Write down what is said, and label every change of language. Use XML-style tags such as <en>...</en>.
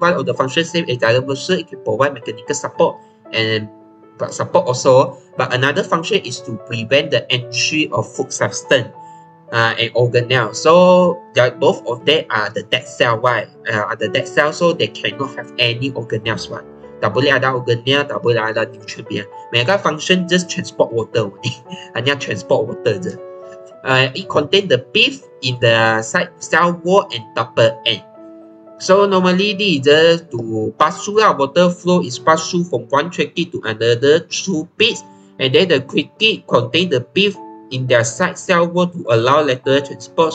<en>One of the functions same as xylem vessel, it can provide mechanical support but another function is to prevent the entry of food substance and organelle. So that both of them are the dead cell. Why? Are the dead cell, so they cannot have any organelles.</en> <ms>One, tak boleh ada organelle, tak boleh ada nutrient. Mereka function</ms> <en>just transport water.</en> <ms>Hanya transport water je.</ms> <en>It contains the beef in the side cell wall and double end. So normally this is just to pass through our water flow is passed through from one trachea to another through beef, and then the trachea contain the beef in their side cell wall to allow lateral transport.</en>